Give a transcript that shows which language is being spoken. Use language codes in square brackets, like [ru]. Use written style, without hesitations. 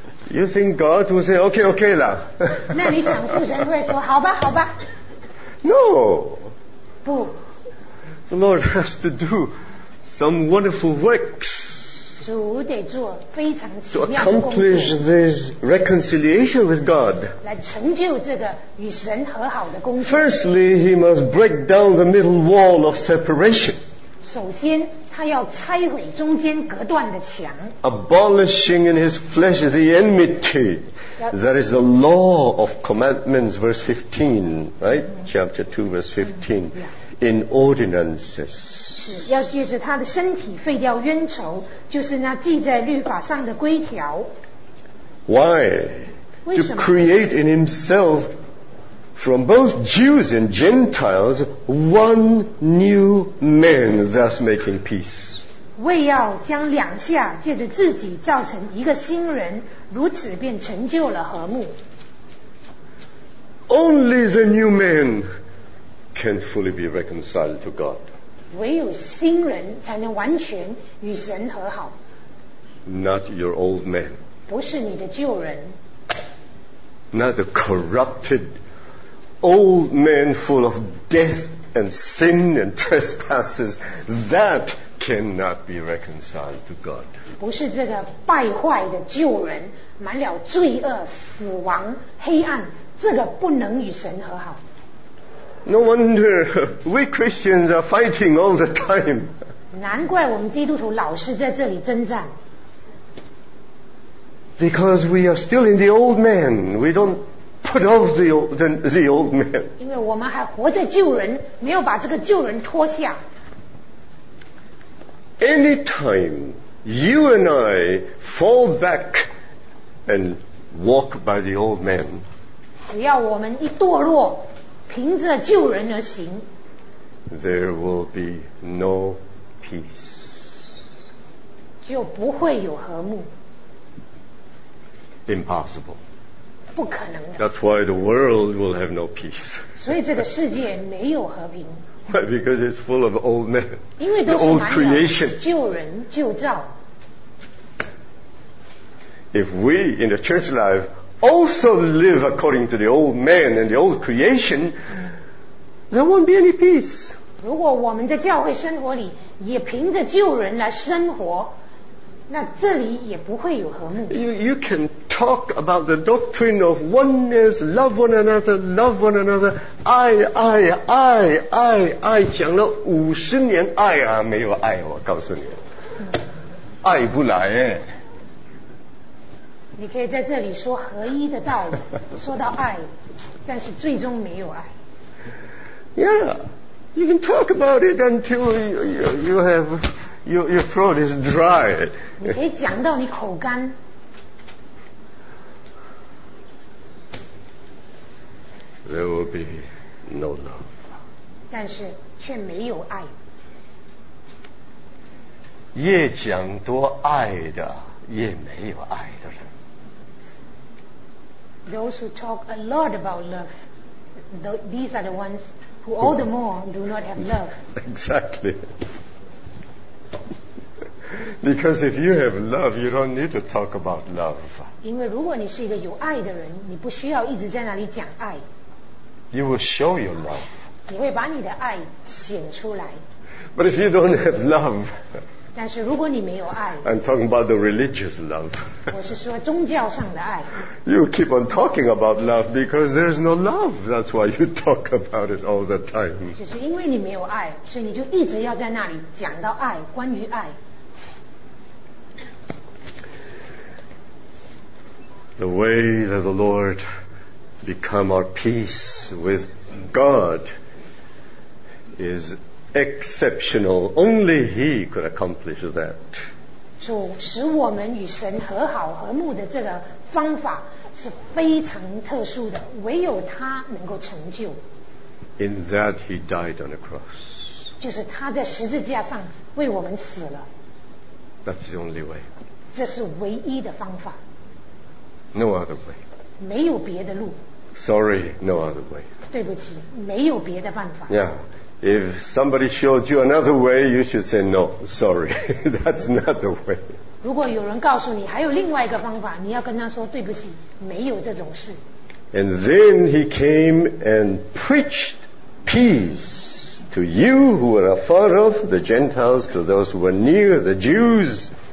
[en] You think God will say okay, okay 啦？ [zh] 那你想父神会说好吧，好吧 [en] ？No. [zh] 不。 [en] The Lord has to do some wonderful works. [zh] 主得做非常奇妙的工作。 [en] To accomplish this reconciliation with God. [zh] 来成就这个与神和好的工作。 [en] Firstly, he must break down the middle wall of separation. [zh] 首先他要拆毁中间隔断的墙。 [en] Abolishing in his flesh the enmity. That is the law of commandments, verse 15, right? Chapter 2, verse 15. In ordinances. [zh] 是要借着他的身体废掉冤仇，就是那记在律法上的规条。 [en] Why? To create in himself from both Jews and Gentiles one new man, thus making peace. [zh] 为要将两下借着自己造成一个新人，如此便成就了和睦。 [en] Only the new man can fully be reconciled to God. [zh] 唯有新人才能完全与神和好。 [en] Not your old man. [zh] 不是你的旧人。 [en] Not the corrupted old man full of death and sin and trespasses that cannot be reconciled to God. [zh] 不是这个败坏的旧人，满了罪恶、死亡、黑暗，这个不能与神和好。 [en] No wonder we Christians are fighting all the time. [zh] 难怪我们基督徒老是在这里征战。 [en] Because we are still in the old man. We don't put off the old man. [zh] 因为我们还活在旧人，没有把这个旧人脱下。 [en] Anytime you and I fall back and walk by the old man. [zh] 只要我们一堕落凭着旧人而行， [en] There will be no peace. [zh] 就不会有和睦。 [en] Impossible. [zh] 不可能的。 [en] That's why the world will have no peace. [zh] 所以这个世界没有和平。 [en] Why? Because it's full of old men. [zh] 因为都是满了旧人旧造。 [en] If we in the church life also live according to the old man and the old creation, there won't be any peace. [zh] 如果我们在教会生活里也凭着旧人来生活，那这里也不会有和睦。 [en] You can talk about the doctrine of oneness, love one another, love one another. [zh] 爱讲了五十年，爱啊，没有爱，我告诉你，爱不来。你可以在这里说合一的道理，说到爱，但是最终没有爱。 [en] Yeah, you can talk about it until you have your throat is dry. [zh] 你可以讲到你口干。 [en] There will be no love. [zh] 但是却没有爱。越讲多爱的，越没有爱的人。 [en] Those who talk a lot about love, these are the ones who all the more do not have love. Exactly. Because if you have love, you don't need to talk about love. [zh] 因为如果你是一个有爱的人，你不需要一直在那里讲爱。 [en] You will show your love. [zh] 你会把你的爱显出来。 [en] But if you don't have love, [zh] 但是如果你没有爱， [en] I'm talking about the religious love. [zh] 我是说宗教上的爱。 [en] You keep on talking about love because there's no love. That's why you talk about it all the time. [zh] 就是因为你没有爱，所以你就一直要在那里讲到爱，关于爱。 [en] The way that the Lord become our peace with God is exceptional. Only he could accomplish that. [zh] 主使我们与神和好和睦的这个方法是非常特殊的，唯有他能够成就。 [en] In that he died on the cross. [zh] 就是他在十字架上为我们死了。 [en] That's the only way. [zh] 这是唯一的方法。 [en] No other way. [zh] 没有别的路。 [en] Sorry, no other way. [zh] 对不起，没有别的办法。 [en] Yeah. If somebody showed you another way, you should say no, sorry, that's not the way. [zh] 如果有人告诉你还有另外一个方法，你要跟他说对不起，没有这种事。 [en] And then he came and preached peace to you who were afar off, the Gentiles, to those who were near, the Jews.